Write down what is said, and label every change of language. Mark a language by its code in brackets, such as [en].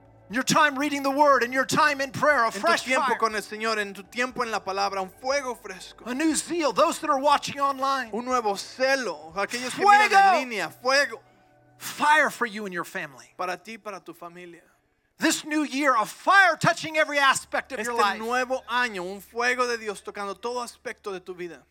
[en] Your time reading the word and your time in prayer, a fresh fire. [es] En tu tiempo con el Señor, en tu tiempo en la palabra, un fuego fresco. [en] A new zeal, those that are watching online. [es] Un nuevo celo, aquellos que miran en línea, fuego. [en] Fire for you and your family. [es] Para ti, para tu familia. [en] This new year, a fire touching every aspect of [es] este [en] your life. [es] Este nuevo año, un fuego de Dios tocando todo aspecto de tu vida.